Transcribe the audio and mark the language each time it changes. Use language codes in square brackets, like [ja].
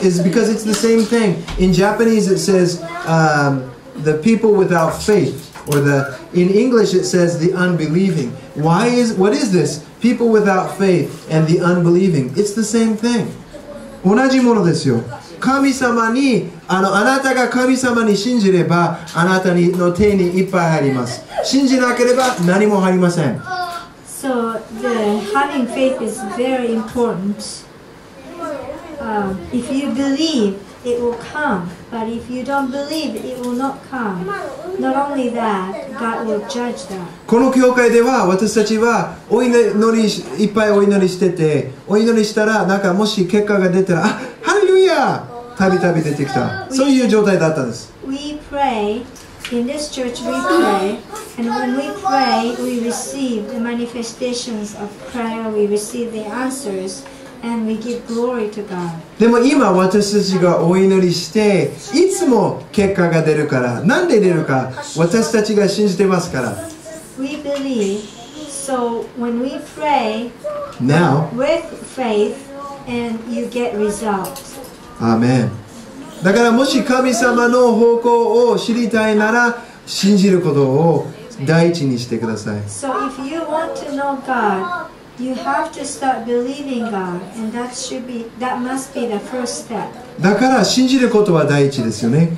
[en] It's because it's the same thing In Japanese it says the people without faith or the in English it says the unbelieving why is what is this people without faith and the unbelieving it's the same thing [ja] 同じものですよ神様にあなたが神様に信じればあなたの手にいっぱい入ります信じなければ何も入りません [en] so the having faith is very important if you believeIt will come, but if you don't believe, it will not come. Not only that, God will judge that. [ja] この教会では私たちはお祈りいっぱいお祈りしてて、お祈りしたらなんかもし結果が出たら、ハレルヤ！たびたび出てきた。そういう状態だったんです。 [en] We pray in this church. We pray, and when we pray, we receive the manifestations of prayer. We receive the answers. And we give glory to God. [ja] でも今私たちがお祈りしていつも結果が出るからなんで出るか私たちが信じてますから [en] We believe, so when we pray Now, with faith and you get results. Amen. [ja] だからもし神様の方向を知りたいなら信じることを第一にしてください [en] So if you want to know GodYou have to start believing God, and that must be the first step. [ja] だから信じることは第一ですよね。